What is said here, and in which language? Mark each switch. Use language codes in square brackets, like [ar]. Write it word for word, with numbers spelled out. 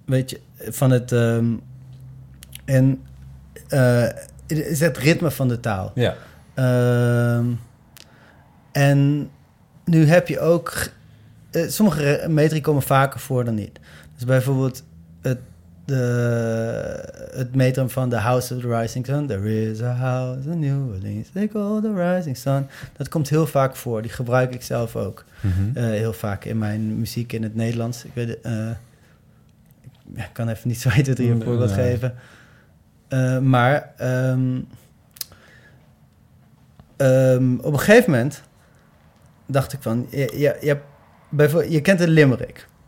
[nl] Weet je, van het... Um, en... Uh, is het ritme van de taal. Ja. Uh, En nu heb je ook... Uh, sommige metri komen vaker voor dan niet. Dus bijvoorbeeld het, de, het metrum van The House of the Rising Sun. [en] There is a house in New Orleans. They call the rising sun. [nl] Dat komt heel vaak voor. Die gebruik ik zelf ook. Mm-hmm. Uh, heel vaak in mijn muziek in het Nederlands. Ik weet, uh, ik kan even niet zo één, twee, drie een voorbeeld mm-hmm. geven. Uh, maar um, um, op een gegeven moment... dacht ik van, je, je, je, bijvoorbeeld, je kent de limerick.